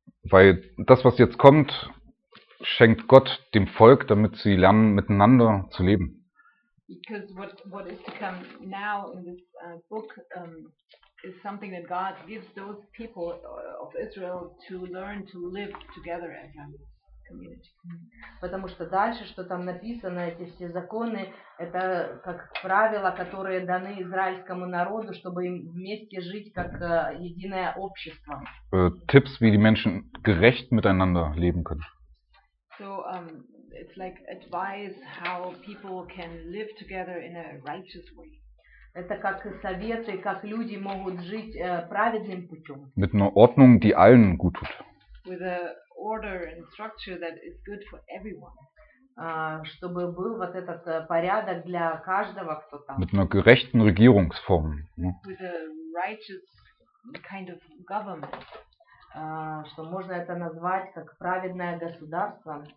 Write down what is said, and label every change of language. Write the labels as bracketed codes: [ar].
[de] Weil das, was jetzt kommt, schenkt Gott dem Volk, damit sie lernen, miteinander zu leben. [en] Because what is to come now in this book is something that God gives those people of Israel to learn to live together as a community. [ru] Потому что дальше, что там написано, эти все законы, это как правила, которые даны израильскому народу, чтобы им вместе жить как единое общество. [de] Tipps, wie die Menschen gerecht miteinander leben können. [en] So, it's like advice how people can live together in a righteous way. [ru] Это как советы, как люди могут жить праведным путем. [de] Mit einer Ordnung, die allen gut tut. [en] With a order and structure that is good for everyone. [ru] Чтобы был вот этот порядок для каждого, кто там. [de] Mit einer gerechten Regierungsform. [en] With a righteous kind of government. [ru] Что можно это назвать как праведное государство.